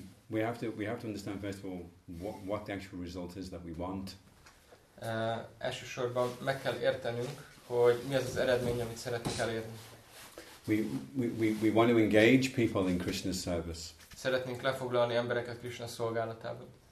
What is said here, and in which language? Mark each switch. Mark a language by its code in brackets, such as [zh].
[en] we have to understand first of all what the actual result is that we want. [hu] Elsősorban meg kell értenünk, hogy mi az az eredmény, amit szeretnék elérni. [en] We want to engage people in Krishna's service. [hu] Szeretnénk lefoglalni embereket Krishna szolgálatában.